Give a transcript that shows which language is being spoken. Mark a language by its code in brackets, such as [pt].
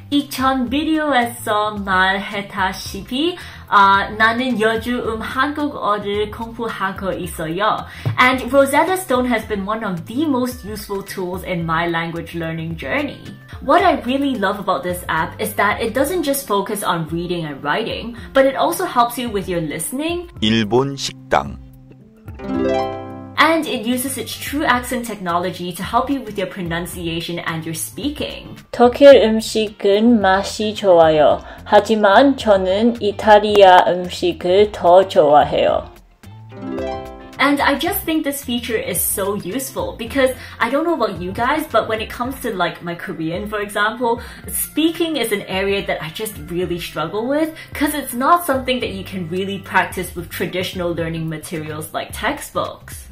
[ko] 이천 비디오에서 말했다시피 나는 요즘 한국어를 공부하고 있어요. [en] And Rosetta Stone has been one of the most useful tools in my language learning journey. What I really love about this app is that it doesn't just focus on reading and writing, but it also helps you with your listening. [ko] 일본 식당. [en] And it uses its true accent technology to help you with your pronunciation and your speaking. [ko] 독일 음식은 맛이 좋아요. 하지만 저는 이탈리아 음식을 더 좋아해요. [en] And I just think this feature is so useful because I don't know about you guys, but when it comes to like my Korean, for example, speaking is an area that I just really struggle with because it's not something that you can really practice with traditional learning materials like textbooks.